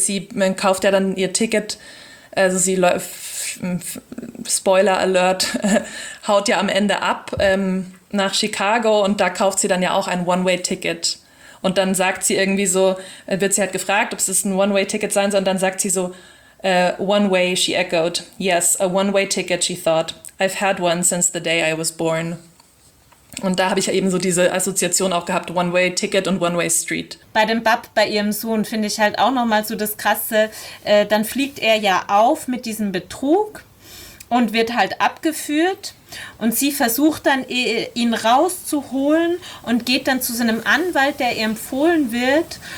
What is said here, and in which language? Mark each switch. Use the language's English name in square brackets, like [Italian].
[German] Sie kauft ja dann ihr Ticket, also sie läuft, Spoiler Alert, haut ja am Ende ab nach Chicago und da kauft sie dann ja auch ein One-Way-Ticket. Und dann sagt sie irgendwie so, wird sie halt gefragt, ob es ein One-Way-Ticket sein soll. Und dann sagt sie so, [English] One-Way, she echoed. Yes, a One-Way-Ticket, she thought. I've had one since the day I was born. [German] Und da habe ich ja eben so diese Assoziation auch gehabt, One-Way-Ticket und One-Way-Street. Bei dem Bub, bei ihrem Sohn, finde ich halt auch nochmal so das Krasse, dann fliegt er ja auf mit diesem Betrug und wird halt abgeführt. Und sie versucht dann, ihn rauszuholen und geht dann zu so einem Anwalt, der ihr empfohlen wird.